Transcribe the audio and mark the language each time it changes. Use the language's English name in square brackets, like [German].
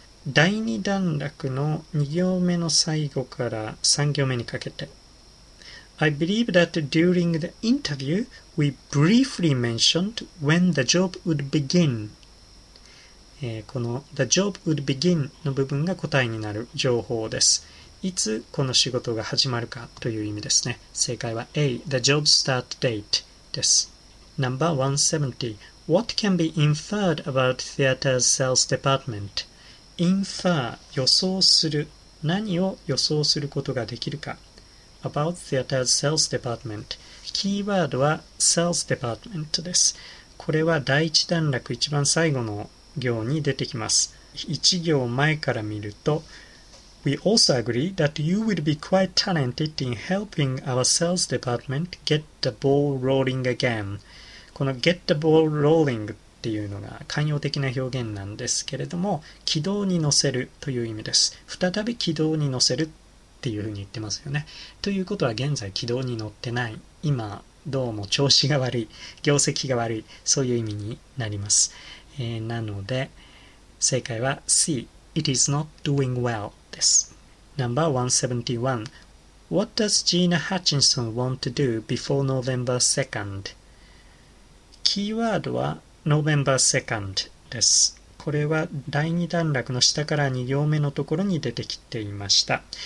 [Japanese] 第2段落の2行目の最後から3行目にかけて。 [English] I believe that during the interview, we briefly mentioned when the job would begin. [Japanese] この [English] the job would begin [Japanese] の部分が答えになる情報です。いつこの仕事が始まるかという意味ですね。正解は A、 [English] The job start date [Japanese] です。 [English] Number 170. What can be inferred about theater's sales department? [Japanese] Infer、予想する。何を予想することができるか。 [English] About theater's sales department。 [Japanese] キーワードは [English] sales department です。 [Japanese] これは第一段落一番最後の行に出てきます。1行前から見ると、 [English] We also agree that you would be quite talented in helping our sales department get the ball rolling again. [Japanese] この [English] get the ball rolling [Japanese] っていうのが慣用的な表現なんですけれども、軌道に乗せるという意味です。再び軌道に乗せるっていうふうに言ってますよね。ということは現在軌道に乗ってない。今どうも調子が悪い。業績が悪い。そういう意味になります。なので、正解は C。 [English] It is not doing well. Number 171. What does Gina Hutchinson want to do before November 2nd? [Japanese] キーワードは November 2nd です。これは第2段落の下から2行目のところに出てきていました。